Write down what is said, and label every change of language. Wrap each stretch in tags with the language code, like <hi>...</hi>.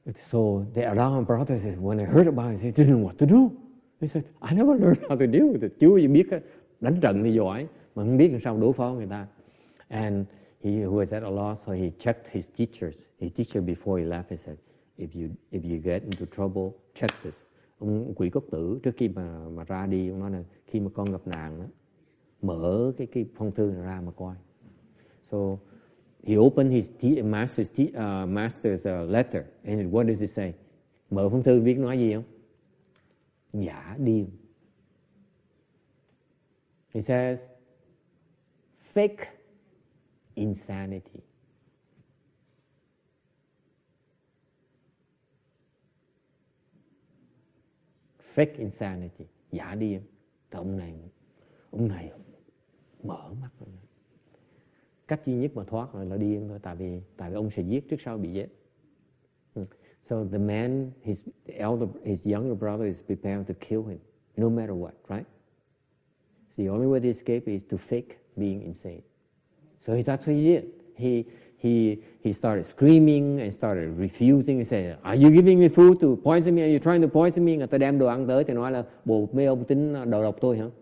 <en>So the Dharma brother said, when I heard about it, he didn't know what to do. He said, I never learned how to deal with it.</en> <vi>Chưa gì biết đánh trận thì giỏi, mà không biết làm sao đối phó người ta.</vi> <en>And he was at a loss, so he checked his teacher before he left. He said, if you get into trouble, check this.</en> <vi>Ông quỷ cốc tử trước khi mà ra đi, ông nói là khi mà con gặp nạn đó, mở cái phong thư ra mà coi.</vi> <en>So he opened his master's letter, and what does it say?</en> <vi>Mở phong thư biết nói gì không? Giả điên.</vi> <en>He says, fake insanity. Fake insanity.</en> <vi>Giả điên. Thì ông này mở mắt rồi. Cách duy nhất mà thoát là điên thôi. Tại vì ông sẽ giết trước sau bị giết.</vi> <en>So the man, his younger brother is prepared to kill him, no matter what, right? So the only way to escape is to fake being insane. So that's what he did. He started screaming and started refusing. He said, are you giving me food to poison me? Are you trying to poison me?</en> <vi>Người ta đem đồ ăn tới thì nói là bộ mấy ông tính đầu độc tôi hả?</vi>